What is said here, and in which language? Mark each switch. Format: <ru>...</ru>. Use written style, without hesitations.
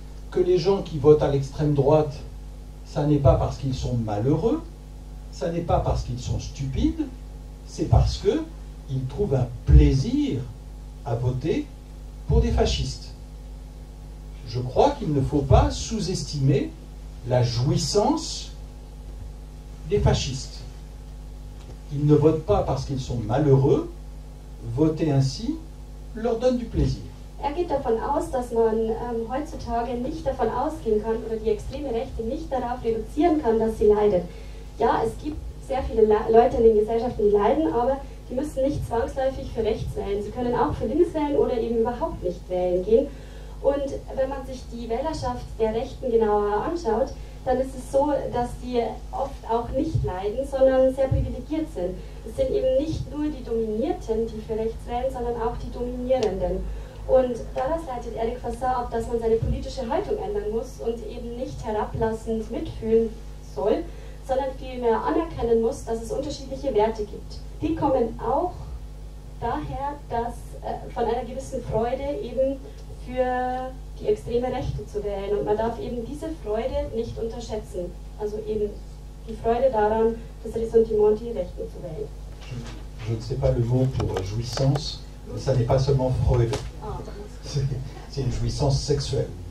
<fr>Que les gens qui votent à l'extrême droite, ça n'est pas parce qu'ils sont malheureux, ça n'est pas parce qu'ils sont stupides, c'est parce qu'ils trouvent un plaisir à voter pour des fascistes. Je crois qu'il ne faut pas sous-estimer la jouissance des fascistes. Ils ne votent pas parce qu'ils sont malheureux, voter ainsi leur donne du plaisir.</fr> <de>Er geht davon aus, dass man heutzutage nicht davon ausgehen kann oder die extreme Rechte nicht darauf reduzieren kann, dass sie leidet. Ja, es gibt sehr viele Leute in den Gesellschaften, die leiden, aber die müssen nicht zwangsläufig für rechts wählen. Sie können auch für links wählen oder eben überhaupt nicht wählen gehen. Und wenn man sich die Wählerschaft der Rechten genauer anschaut, dann ist es so, dass die oft auch nicht leiden, sondern sehr privilegiert sind. Es sind eben nicht nur die Dominierten, die für rechts wählen, sondern auch die Dominierenden. Und daraus leitet Eric Fassin ab, dass man seine politische Haltung ändern muss und eben nicht herablassend mitfühlen soll, sondern vielmehr anerkennen muss, dass es unterschiedliche Werte gibt. Die kommen auch daher, dass von einer gewissen Freude eben für die extreme Rechte zu wählen. Und man darf eben diese Freude nicht unterschätzen. Also eben die Freude daran, das Ressentiment, die Rechten zu wählen.</de> <fr>Je ne sais pas le mot pour jouissance, mais ça n'est pas seulement Freude. C'est une jouissance sexuelle.</fr>